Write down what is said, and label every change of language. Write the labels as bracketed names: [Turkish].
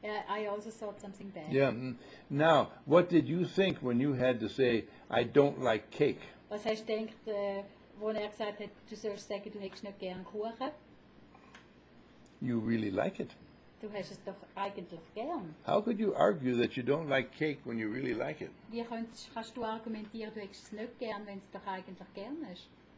[English] I also thought something bad. Yeah. Now, what did you think when you had to say, I don't like cake? [German] Was hast du gedacht, wo er gesagt hat, du sollst sagen, du hättest nicht gern Kuchen? [English] You really like it. [German] Du hast es doch eigentlich gern. [English] How could you argue that you don't like cake when you really like it? [German] Wie kannst du argumentieren, du hättest es nicht gern, wenn es doch eigentlich gern ist?